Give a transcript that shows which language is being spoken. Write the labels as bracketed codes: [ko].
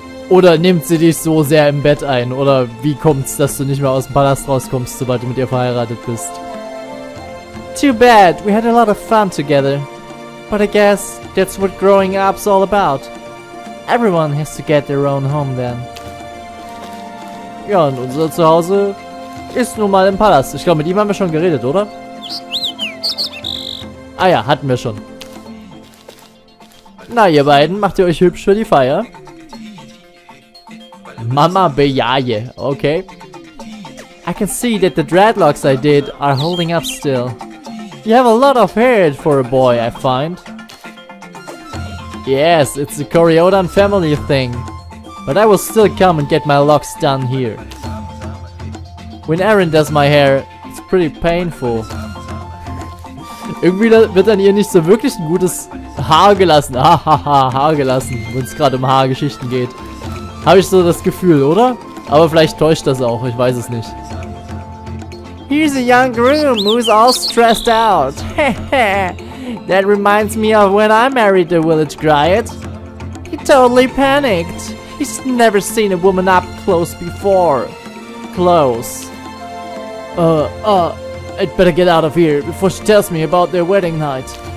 [de] Oder nimmt sie dich so sehr im Bett ein? Oder wie kommt's, dass du nicht mehr aus dem Palast rauskommst, sobald du mit ihr verheiratet bist? [en] Too bad, we had a lot of fun together. But I guess that's what growing up's all about. Everyone has to get their own home then. [de] Ja, und unser Zuhause ist nun mal im Palast. Ich glaube, mit ihm haben wir schon geredet, oder? Ah ja, hatten wir schon. Na, ihr beiden, macht ihr euch hübsch für die Feier? Mama bejahe, okay. [en] I can see that the dreadlocks I did are holding up still. You have a lot of hair for a boy, I find. Yes, it's a Coriodon family thing. But I will still come and get my locks done here. When Erin does my hair, it's pretty painful. [de] Irgendwie wird dann ihr nicht so wirklich ein gutes Haar gelassen. Hahaha, Haar gelassen, wenn es gerade um Haargeschichten geht. Habe ich so das Gefühl, oder? Aber vielleicht täuscht das auch, ich weiß es nicht. [en] He's a young groom who's all stressed out. That reminds me of when I married the village Griot. He totally panicked. He's never seen a woman up close before. Close. I'd better get out of here, before she tells me about their wedding night.